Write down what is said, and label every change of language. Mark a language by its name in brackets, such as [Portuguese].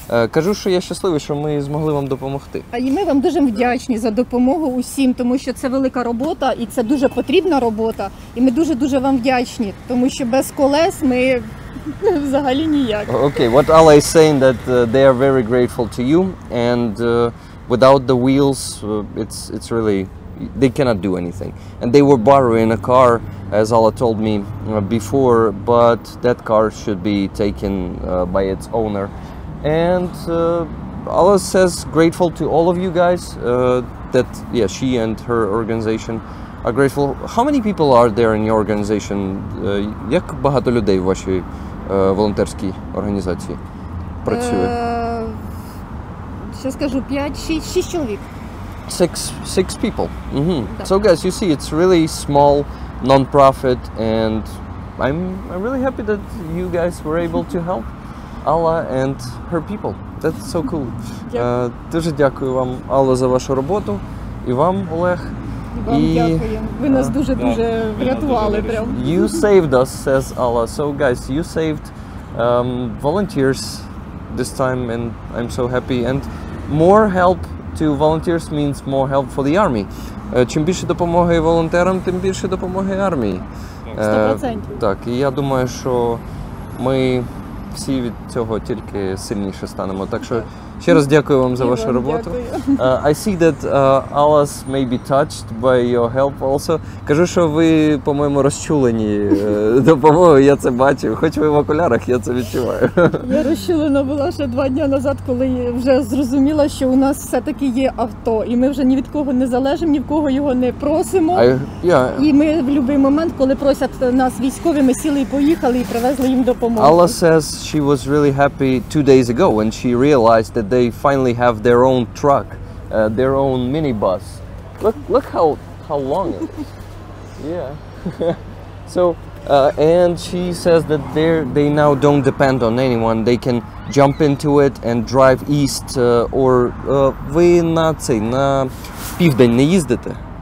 [Ukrainian] Кажу, що я щасливий, що ми змогли вам допомогти. А і ми вам дуже вдячні за допомогу усім, тому що це велика робота і це дуже потрібна робота, і ми дуже вам вдячні, тому що без колес ми взагалі ніяк. [English] Okay, what Alla is saying that they are very grateful to you, and without the wheels it's really, they cannot do anything. And they were borrowing a car, as Alla told me before, but that car should be taken by its owner. And Alla says grateful to all of you guys, that, yeah, she and her organization are grateful. How many people are there in your organization? [Ukrainian] Як багато людей в вашій волонтерській організації працює? Зараз скажу, 5-6 чоловік. [English] Six people. Mm-hmm. [Ukrainian] Да. [English] So guys, you see, it's really small non-profit, and I'm really happy that you guys were able to help Alla and her people. That's so cool. [Ukrainian] Дуже дякую вам, Алла, за вашу роботу, і вам, Олег. Дякую. Ви нас дуже-дуже врятували прям. [English] You saved us, says Alla. So guys, you saved volunteers this time, and I'm so happy. And more help to volunteers means more help for the army. [Ukrainian] Чим більше допомоги волонтерам, тим більше допомоги армії. 100%. Так, і я думаю, що ми всі від цього тільки сильніше станемо. Так що Ще раз дякую вам за вашу роботу. [English] I see that Alice may be touched by your help also. [Ukrainian] Кажу, що ви, по-моєму, розчулені допомогою, я це бачу. Хоч ви в окулярах, я це відчуваю. Я розчулена була ще два дні назад, коли вже зрозуміла, що у нас все-таки є авто. І ми вже ні від кого не залежимо, ні в кого його не просимо. І ми в будь-який момент, коли просять нас військові, ми сіли і поїхали, і привезли їм допомогу. [English] Alla says she was really happy two days ago when she realized that they finally have their own truck, their own minibus. Look how long it is. Yeah. So, and she says that they now don't depend on anyone. They can jump into it and drive east, or... [Ukrainian] Ви на цей, на південь не їздите?